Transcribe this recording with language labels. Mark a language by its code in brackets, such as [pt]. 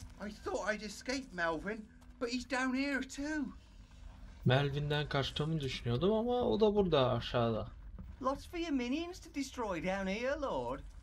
[en] I thought I'd escape Melvin, but he's down here too. [tr] Melvin'den kaçtığımı düşünüyordum ama o da burada aşağıda. [en] Lots for your minions to destroy down here, Lord.